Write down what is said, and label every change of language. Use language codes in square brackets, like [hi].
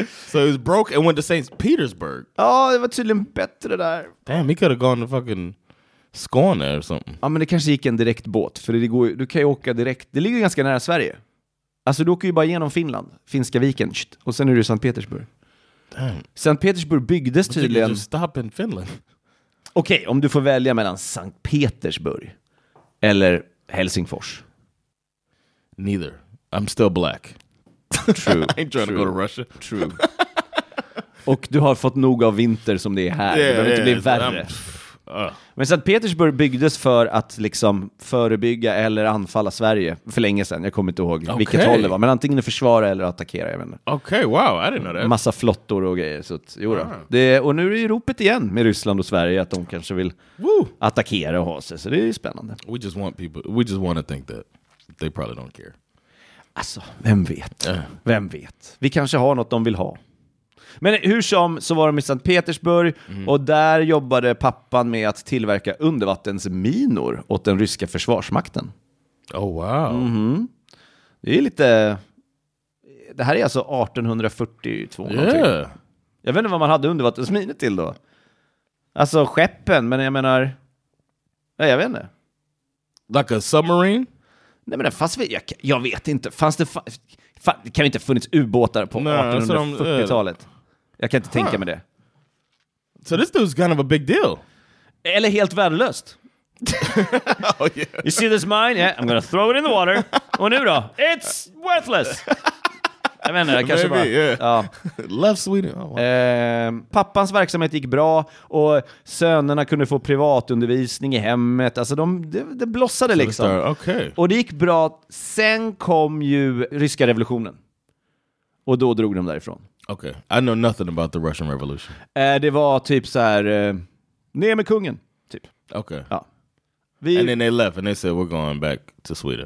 [en] So he was broke and went to St. Petersburg. [sv] Ja, det var tydligen bättre där. [en] Damn, he could have gone to fucking Skåne or something. [sv] Ja, men det kanske gick en direkt båt. För det går, du kan ju åka direkt. Det ligger ganska nära Sverige. Alltså, du åker ju bara genom Finland. Finska viken. Och sen är du i St. Petersburg. [en] Damn. [sv] St. Petersburg byggdes tydligen. [en] But did you stop in Finland? [sv] Okej, om du får välja mellan Sankt Petersburg eller Helsingfors. [en] Neither. I'm still black. True. I ain't trying to go to Russia. True. [sv] Och du har fått nog av vinter som det är här. Yeah, det behöver inte bli värre. Men Sankt Petersburg byggdes för att liksom förebygga eller anfalla Sverige för länge sedan. Jag kommer inte ihåg vilket håll det var. Men antingen försvara eller attackera. [en] Okej, okay, wow. I didn't know that. [sv] Massa flottor och grejer. Så att, jo då. Och nu är det ju ropet igen med Ryssland och Sverige att de kanske vill attackera och ha sig. Så det är ju spännande. [en] We just want to think that they probably don't care. [sv] Alltså, vem vet? Vem vet? Vi kanske har något de vill ha. Men hur som så var de i St. Petersburg och där jobbade pappan med att tillverka undervattensminor åt den ryska försvarsmakten. [en] Oh wow. [sv] Mm-hmm. Det är lite... Det här är alltså 1842. Yeah. Jag vet inte vad man hade undervattensminor till då. Alltså skeppen, men jag menar... Nej, jag vet inte. [en] Like a submarine? [sv] Nej, men det fanns... Jag vet inte. Fanns det... Det kan ju inte ha funnits ubåtar på 1840-talet. Jag kan inte tänka mig det. [en] So this dude's kind of a big deal. [sv] Eller helt värdelöst. [en] Oh, yeah. You see this mine? Yeah, I'm gonna throw it in the water. [sv] Och nu då? [en] It's worthless. [sv] Jag vet inte, jag kanske [en] maybe, Yeah. [sv] Ja. [en] Love Sweden. Oh, wow. [sv] Pappans verksamhet gick bra. Och sönerna kunde få privatundervisning i hemmet. Alltså det blossade so liksom. [en] Okay. [sv] Och det gick bra. Sen kom ju ryska revolutionen. Och då drog de därifrån. [en] Okay, I know nothing about the Russian Revolution. [sv] Det var typ så här, ner med kungen, typ. [en] Okay. [sv] Ja. [en] And then they left and they said we're going back to Sweden.